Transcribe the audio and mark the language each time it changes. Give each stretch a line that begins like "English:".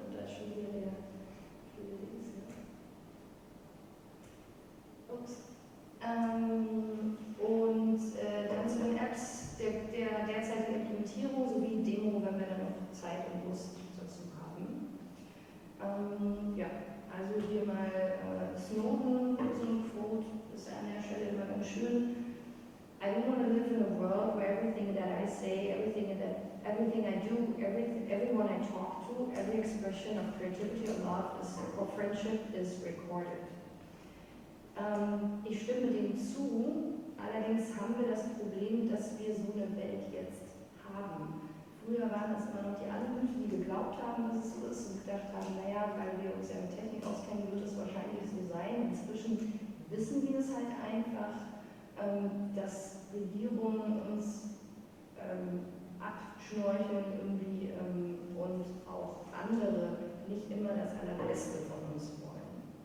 German: Und da ist schon wieder der dann zu den Apps der derzeitigen Implementierung sowie Demo, wenn wir dann noch Zeit und Lust dazu haben. Also hier mal Snowden, so ein Quote, ist an der Stelle immer ganz schön.
English: I don't want to live in a world where everything that I say, everything I do, everyone I talk to, every expression of creativity or love or friendship is recorded.
German: Ich stimme dem zu, allerdings haben wir das Problem, dass wir so eine Welt jetzt haben. Früher waren das immer noch die anderen, die geglaubt haben, dass es so ist und gedacht haben, naja, weil wir uns ja mit Technik auskennen, wird es wahrscheinlich so sein. Inzwischen wissen wir es halt einfach, dass Regierungen uns abschnorcheln irgendwie und auch andere nicht immer das Allerbeste von uns wollen.